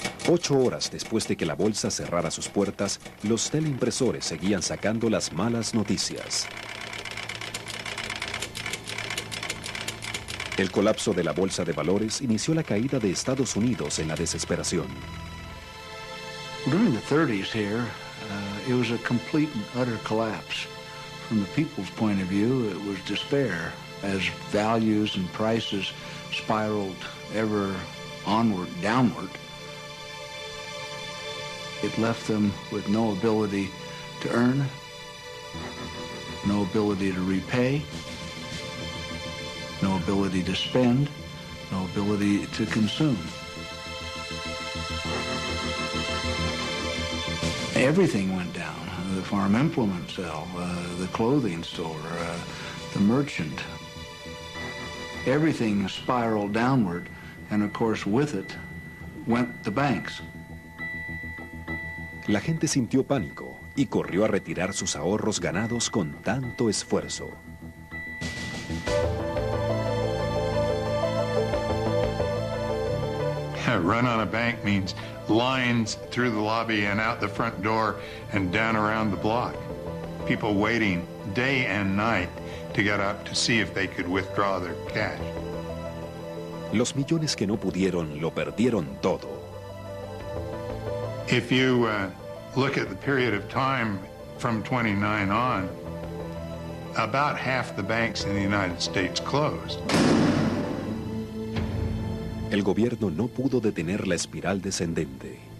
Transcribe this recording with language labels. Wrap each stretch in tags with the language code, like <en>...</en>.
<es>Ocho horas después de que la bolsa cerrara sus puertas, los teleimpresores seguían sacando las malas noticias. El colapso de la bolsa de valores inició la caída de Estados Unidos en la desesperación.</es> <en>During the 30s here, it was a complete and utter collapse. From the people's point of view, it was despair as values and prices spiraled ever onward, downward. It left them with no ability to earn, no ability to repay, no ability to spend, no ability to consume. Everything went down. The farm implement sale, the clothing store, the merchant. Everything spiraled downward, and of course with it went the banks.</en> <es>La gente sintió pánico y corrió a retirar sus ahorros ganados con tanto esfuerzo.</es> <en>Run on a bank means lines through the lobby and out the front door and down around the block. People waiting day and night to get up to see if they could withdraw their cash.</en> <es>Los millones que no pudieron lo perdieron todo.</es> <en>If you look at the period of time from 29 on, about half the banks in the United States closed.</en> <es>El gobierno no pudo detener la espiral descendente.</es>